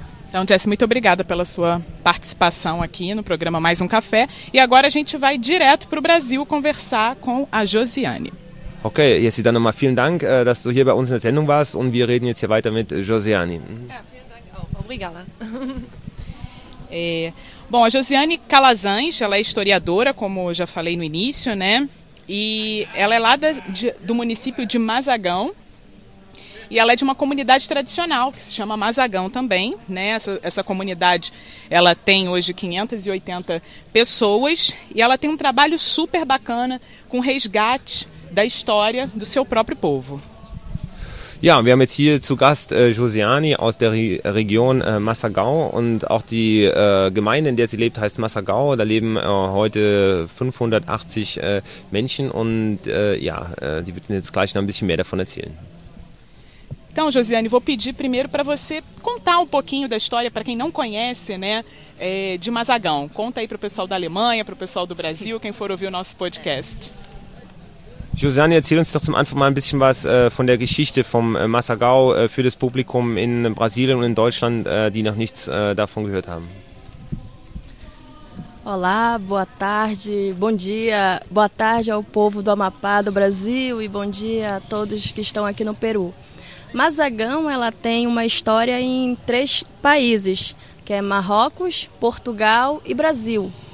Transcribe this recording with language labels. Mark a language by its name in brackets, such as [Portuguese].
[Portuguese] Então, Jess, muito obrigada pela sua participação aqui no programa Mais um Café. E agora a gente vai direto para o Brasil conversar com a Josiane. [German] Ok, Jessi, dann nochmal vielen Dank, dass du hier bei uns in der Sendung warst und wir reden jetzt hier weiter mit Josiane. Ja, vielen Dank auch. [Portuguese] Obrigada. Bom, a Josiane Calazans, ela é historiadora, como já falei no início, né? E ela é lá do município de Mazagão. E ela é de uma comunidade tradicional, que se chama Mazagão também, né? Essa comunidade, ela tem hoje 580 pessoas e ela tem um trabalho super bacana com resgate da história do seu próprio povo. [German] Ja, wir haben jetzt hier zu Gast Josiane aus der Region Mazagão und auch die Gemeinde, in der sie lebt, heißt Mazagão. Da leben heute 580 Menschen und die wird Ihnen jetzt gleich noch ein bisschen mehr davon erzählen. [Portuguese] Então, Josiane, vou pedir primeiro para você contar um pouquinho da história, para quem não conhece, né, de Mazagão. Conta aí para o pessoal da Alemanha, para o pessoal do Brasil, quem for ouvir o nosso podcast. [German] Josiane, erzähl uns doch zum Anfang mal ein bisschen was von der Geschichte vom Massagau für das Publikum in Brasilien und in Deutschland, die noch nichts davon gehört haben. [Portuguese] Olá, boa tarde, bom dia, boa tarde ao povo do Amapá, do Brasil, e bom dia a todos que estão aqui no Peru. Mazagão, ela tem uma história em três países, que é Marrocos, Portugal e Brasil.